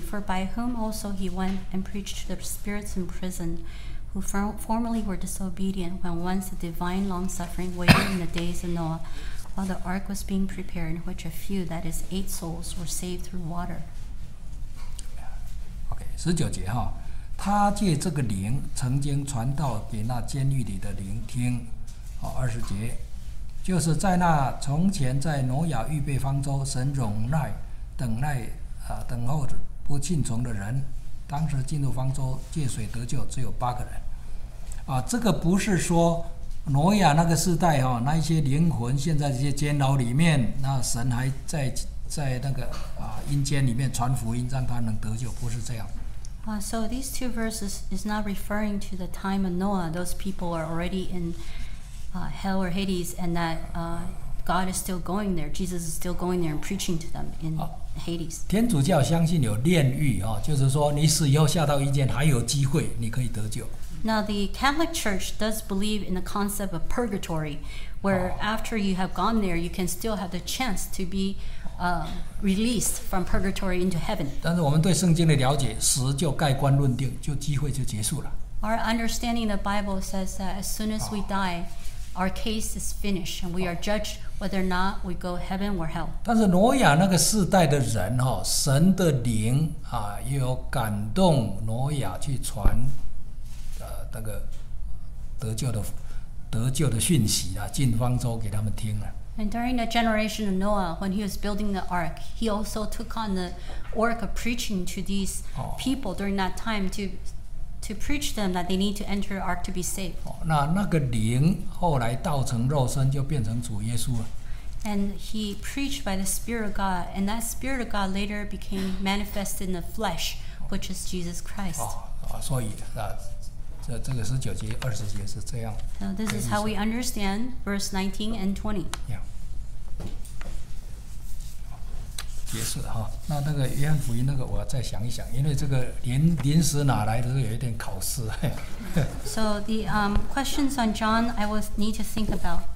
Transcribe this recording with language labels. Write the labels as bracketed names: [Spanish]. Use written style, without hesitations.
[English] For by whom also he went and preached to the spirits in prison, who formerly were disobedient when once the divine long-suffering waited in the days of Noah, while the ark was being prepared, in which a few, that is, eight souls, were saved through water. [Chinese] Okay, 19节哈，他借这个灵曾经传道给那监狱里的灵听。20节。就是在那从前在挪亚预备方舟神容耐等耐等候不信从的人，当时进入方舟借水得救只有八个人。这个不是说挪亚那个时代那些灵魂现在这些监牢里面，那神还在那个阴间里面传福音让他能得救，不是这样。 [English] So these two verses is not referring to the time of Noah. Those people are already inHell or Hades, and that God is still going there. Jesus is still going there and preaching to them in Hades. [Chinese] 天主教相信有炼狱就是说你死以后下到阴间还有机会，你可以得救。 [English] Now the Catholic Church does believe in the concept of purgatory, where after you have gone there, you can still have the chance to be released from purgatory into heaven. [Chinese] 但是我们对圣经的了解，死就盖棺论定，就机会就结束了。 [English] Our understanding of the Bible says that as soon as we die. Our case is finished, and we are judged whether or not we go heaven or hell. [Chinese] 但是挪亚那个世代的人神的灵有感动挪亚去传那个得救的讯息进方舟给他们听了。 [English] And during the generation of Noah, when he was building the ark, he also took on the work of preaching to these people during that time to preach them that they need to enter the ark to be saved. [Chinese] 那个灵后来道成肉身就变成主耶稣了。 [English] And he preached by the Spirit of God, and that Spirit of God later became manifest in the flesh, which is Jesus Christ. [Chinese] 所以这个十九节二十节是这样。 [English] So this is how we understand verse 19 and 20. [Chinese] 也是哈，那个约翰福音那个我再想一想，因为这个临时哪来的是有一点考试。 [English] So the questions on John, I will need to think about.